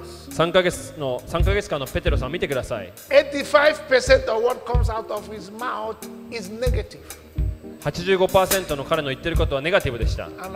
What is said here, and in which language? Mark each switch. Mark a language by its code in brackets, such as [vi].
[ja] 3ヶ月間のペテロさんを見てください。 [en] 85% of what comes out of his mouth is negative. [ja] 85% の彼の言ってることはネガティブでした。